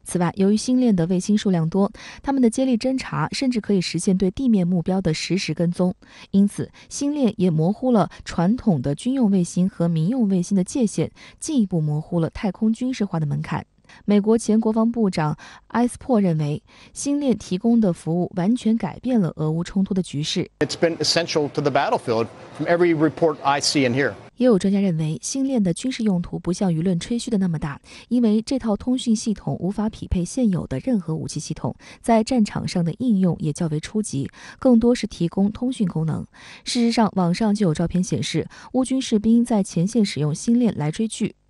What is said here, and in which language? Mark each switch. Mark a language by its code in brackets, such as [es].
[zh] 此外，由于星链的卫星数量多，它们的接力侦察甚至可以实现对地面目标的实时跟踪，因此星链也模糊了传统的军用卫星和民用卫星的界限，进一步模糊了太空军事化的门槛。美国前国防部长埃斯珀认为，星链提供的服务完全改变了俄乌冲突的局势。 [en] It's been essential to the battlefield from every report I see and hear. [zh] 也有专家认为，星链的军事用途不像舆论吹嘘的那么大，因为这套通讯系统无法匹配现有的任何武器系统，在战场上的应用也较为初级，更多是提供通讯功能。事实上，网上就有照片显示，乌军士兵在前线使用星链来追剧。